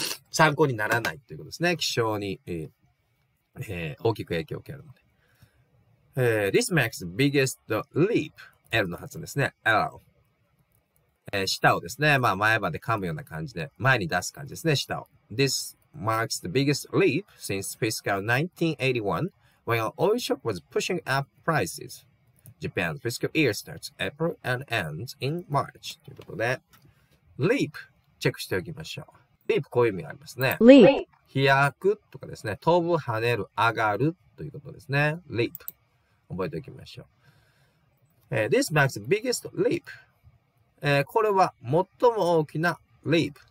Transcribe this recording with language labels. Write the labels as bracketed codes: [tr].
[ja] 参考にならないということですね。気象に大きく影響を受けるので。 [en] This makes the biggest leap. [ja] L の発音ですね。 [en] L。 [ja] 舌をですね、まあ前歯で噛むような感じで、前に出す感じですね、舌を。 [en] This marks the biggest leap since fiscal 1981, when an oil shock was pushing up prices. Japan's fiscal year starts April and ends in March. [ja] ということで、leap、チェックしておきましょう。 leap、こういう意味がありますね。 [en] leap。 [ja] 飛躍とかですね、飛ぶ、跳ねる、上がるということですね。 leap。 覚えておきましょう。 [en] This marks the biggest leap。 [ja] これは最も大きな leap。